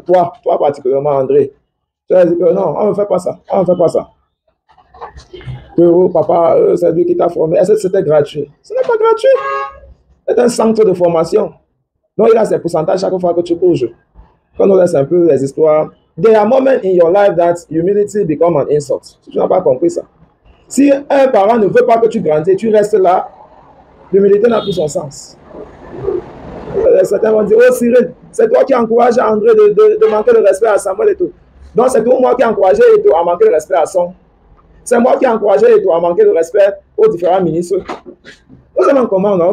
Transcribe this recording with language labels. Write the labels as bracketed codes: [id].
[fr] Toi particulièrement, André. Tu as dit que non, on ne fait pas ça. On ne fait pas ça. Que oh, papa, c'est lui qui t'a formé. Est-ce que c'était gratuit? Ce n'est pas gratuit. C'est un centre de formation. Donc, il a ses pourcentages chaque fois que tu bouges. Quand on laisse un peu les histoires. [en] There are moments in your life that humility becomes an insult. [fr] Si tu n'as pas compris ça. Si un parent ne veut pas que tu grandisses, tu restes là, l'humilité n'a plus son sens. Certains vont dire, oh Cyril, c'est toi qui encourages André de manquer de respect à Samuel et tout. Donc c'est tout moi qui encourageais et tout à manquer de respect à son. C'est moi qui encourageais et tout à manquer de respect aux différents ministres. Vous savez comment, non?